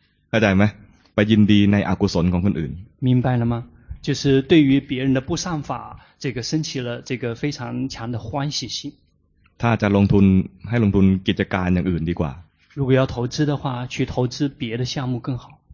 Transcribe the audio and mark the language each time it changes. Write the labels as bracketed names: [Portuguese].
[Thai] เข้าใจไหมไปยินดีในอกุศลของคนอื่น [Chinese] 明白了吗就是对于别人的不善法，这个升起了这个非常强的欢喜心。 [Thai] 他จะลงทุนให้ลงทุนกิจการอย่างอื่นดีกว่า。 [Chinese] 如果要投资的话，去投资别的项目更好。